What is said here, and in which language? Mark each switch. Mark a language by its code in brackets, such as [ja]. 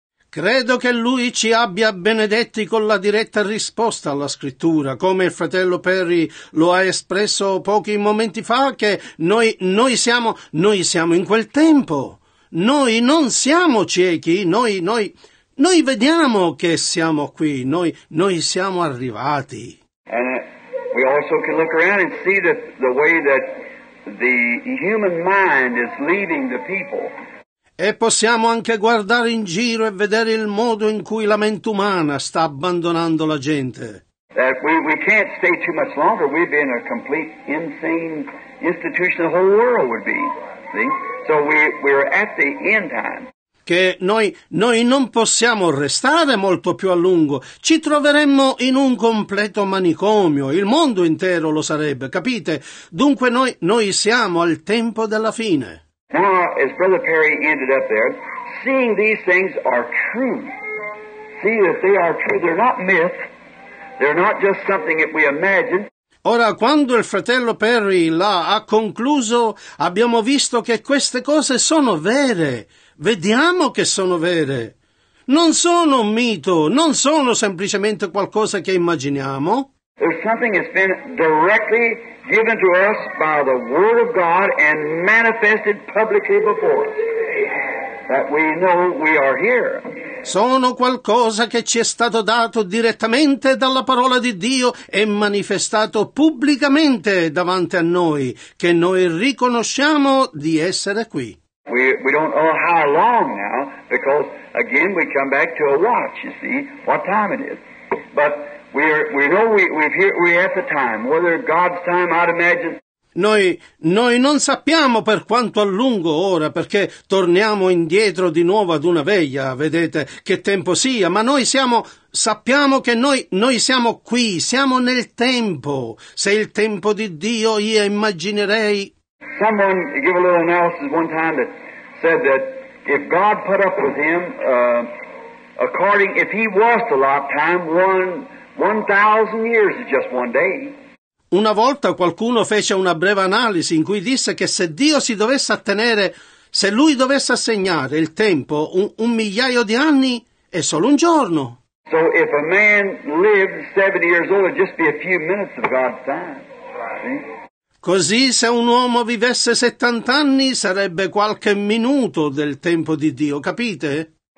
[it] Credo che Lui ci abbia benedetti con la diretta risposta alla Scrittura, come il fratello Perry lo ha espresso pochi momenti fa, che noi siamo in quel tempo, noi non siamo ciechi, noi vediamo che siamo qui, noi siamo arrivati. [en] And we also can look around and see that the way that the human mind is leading the people. [it] E possiamo anche guardare in giro e vedere il modo in cui la mente umana sta abbandonando la gente. [en] That we can't stay too much longer. We'd be in a complete insane institution. The whole world would be. See? So we're at the end time. [it] Che noi non possiamo restare molto più a lungo. Ci troveremmo in un completo manicomio. Il mondo intero lo sarebbe, capite? Dunque noi siamo al tempo della fine. [en] Now, as Brother Perry ended up there, seeing these things are true. See that they are true. They're not myth. They're not just something that we imagine. [it] Ora, quando il fratello Perry là ha concluso, abbiamo visto che queste cose sono vere. Vediamo che sono vere. Non sono un mito, non sono semplicemente qualcosa che immaginiamo. [en] There's something that's been directly given to us by the Word of God and manifested publicly before us. That we know we are here. [it] Sono qualcosa che ci è stato dato direttamente dalla parola di Dio e manifestato pubblicamente davanti a noi, che noi riconosciamo di essere qui. [en] We don't know how long now, because again we come back to a watch, you see, what time it is. But we're at the time, whether God's time, I'd imagine. [it] Noi non sappiamo per quanto a lungo ora, perché torniamo indietro di nuovo ad una veglia, vedete che tempo sia, ma noi sappiamo che noi siamo qui, siamo nel tempo. Se il tempo di Dio, io immaginerei. [en] Someone gave a little analysis one time that said that if God put up with him according if he was the lifetime, 1,000 years in just one day. [it] Una volta qualcuno fece una breve analisi in cui disse che se Dio si dovesse attenere, se lui dovesse assegnare il tempo, un migliaio di anni è solo un giorno. [en] So if a man lived 70 years old, it'd just be a few minutes of God's time. [it] Così se un uomo vivesse 70 anni sarebbe qualche minuto del tempo di Dio, capite?